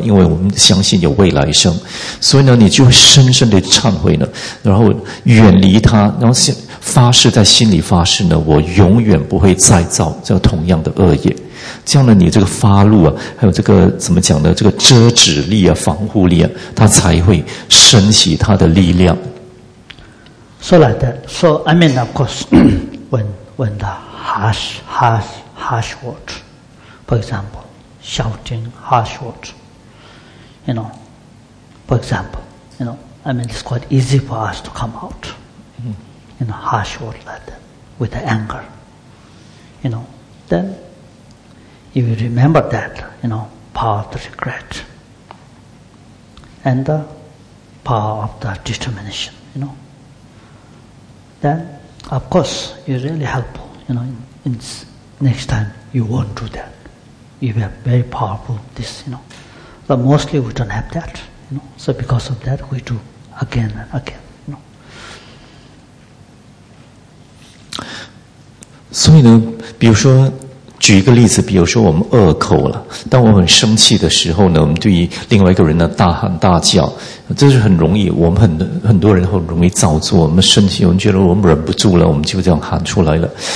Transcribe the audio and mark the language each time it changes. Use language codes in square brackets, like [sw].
[zh] 因为我们相信有未来生，所以呢，你就深深的忏悔呢，然后远离他，然后发誓在心里发誓呢，我永远不会再造这同样的恶业。这样呢，你这个发怒啊，还有这个怎么讲呢？这个遮止力啊，防护力啊，它才会升起它的力量。 [en] So like that. So I mean, of course, when the harsh words, for example, shouting harsh words, you know, for example, you know, I mean, it's quite easy for us to come out in a harsh word like that, with the anger, you know, then if you remember that, you know, power of the regret and the power of the determination, you know. Then, of course, it's really helpful, you know, in next time you won't do that. You have very powerful this, you know. But mostly we don't have that, you know. So because of that, we do again and again. [zh] 所以呢，比如说，举一个例子，比如说我们恶口了，当我们生气的时候呢，我们对于另外一个人呢大喊大叫，这是很容易，我们很多人很容易造作，我们生气，我们觉得我们忍不住了，我们就这样喊出来了。